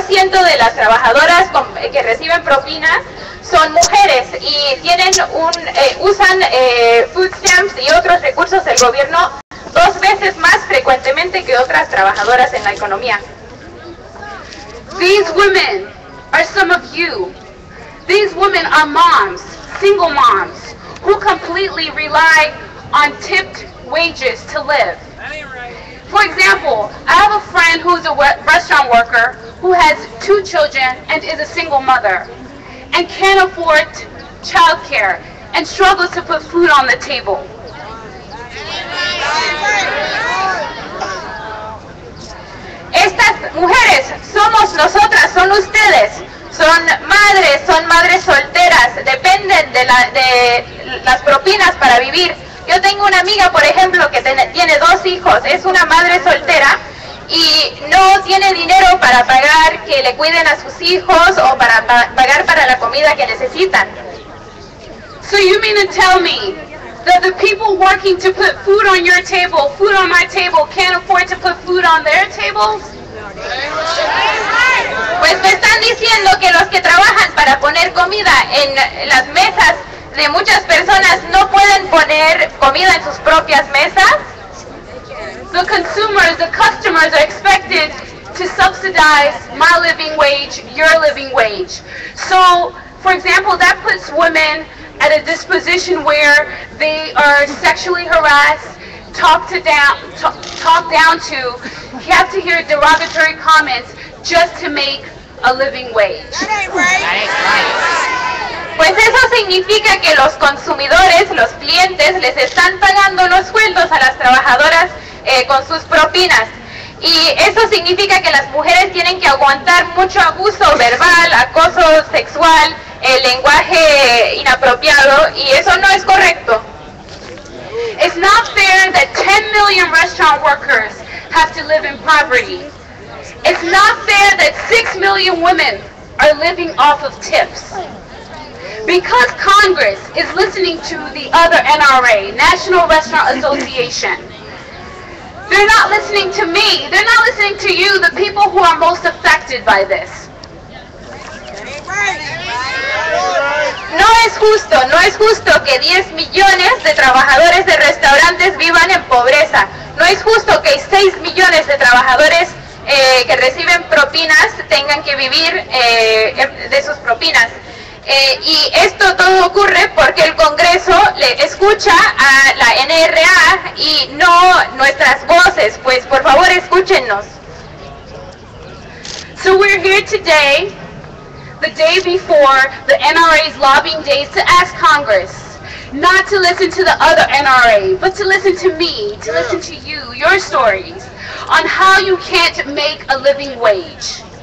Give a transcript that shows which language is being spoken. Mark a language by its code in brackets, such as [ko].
[es] El 70% de las trabajadoras que reciben propinas son mujeres y tienen usan food stamps y otros recursos del gobierno 2 veces más frecuentemente que otras trabajadoras en la economía. [en] These women are some of you. These women are moms, single moms, who completely rely on tipped wages to live. For example, I have a friend who is a restaurant worker who has 2 children and is a single mother and can't afford childcare and struggles to put food on the table. [es] Estas mujeres somos nosotras, son ustedes. Son madres solteras, dependen de las propinas para vivir. Yo tengo una amiga, por ejemplo, que tiene 2 hijos, es una madre soltera y no tiene dinero para pagar que le cuiden a sus hijos o para pagar para la comida que necesitan. [en] So you mean to tell me that the people working to put food on your table, food on my table, can't afford to put food on their tables? [es] Pues me están diciendo que los que trabajan para poner comida en las mesas de muchas personas no pueden poner comida en sus propias mesas. [en] The consumers, the customers are expected to subsidize my living wage, your living wage. So, for example, that puts women at a disposition where they are sexually harassed, talked down to, you have to hear derogatory comments just to make a living wage. [es] Pues eso significa que los consumidores, los clientes, les están pagando los sueldos a las trabajadoras con sus propinas. Y eso significa que las mujeres tienen que aguantar mucho abuso verbal, acoso sexual, el lenguaje inapropiado, y eso no es correcto. [en] It's not fair that 10 million restaurant workers have to live in poverty. It's not fair that 6 million women are living off of tips. Because Congress is listening to the other NRA, National Restaurant Association, they're not listening to me. They're not listening to you, the people who are most affected by this. [es] No es justo, no es justo que 10 millones de trabajadores de restaurantes vivan en pobreza. No es justo que 6 millones de trabajadores que reciben propinas tengan que vivir de sus propinas. Y esto todo ocurre porque el Congreso le escucha a la NRA y no nuestras voces. Pues por favor, escúchenos. [en] So we're here today, the day before the NRA's lobbying days, to ask Congress not to listen to the other NRA, but to listen to me, to listen to you, your stories, on how you can't make a living wage.